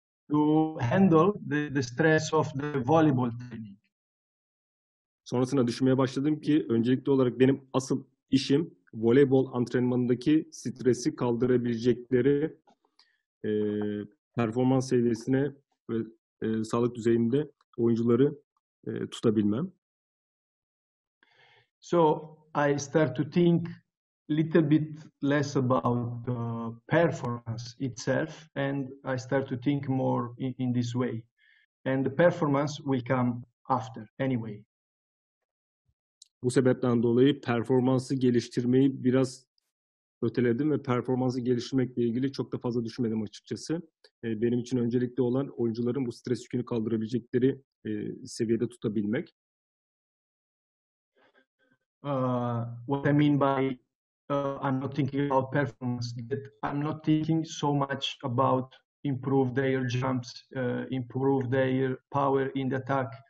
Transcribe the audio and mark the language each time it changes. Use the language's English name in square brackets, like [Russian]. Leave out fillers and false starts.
[English] To handle the stress of the volleyball training. [Turkish] Sonrasında düşünmeye başladım ki öncelikli olarak benim asıl işim voleybol antrenmanındaki stresi kaldırabilecekleri performans seviyesine ve sağlık düzeyinde oyuncuları tutabilmem. [English] So I start to think little bit less about performance itself and I start to think more in this way. And the performance will come after anyway. [Turkish] Bu sebepten dolayı performansı geliştirmeyi biraz öteledim ve performansı geliştirmekle ilgili çok da fazla düşünmedim açıkçası. Benim için öncelikli olan oyuncuların bu stres yükünü kaldırabilecekleri seviyede tutabilmek. [English] What I mean by I'm not thinking about performance, that I'm not thinking so much about improve their jumps, improve their power in the attack.